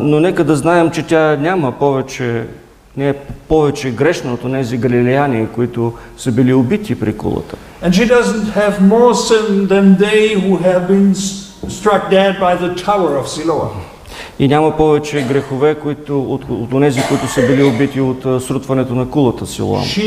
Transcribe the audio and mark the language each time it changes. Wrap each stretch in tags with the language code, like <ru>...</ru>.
<bg>Но нека да знаем, че тя няма повече, не е повече грешна от тези галилеяни, които са били убити при кулата.</bg> <en>And she doesn't have more sin than they who have been struck dead by the tower of Siloam.</en> <bg>И няма повече грехове, които от онези, които са били убити от срутването на кулата Силоам.</bg>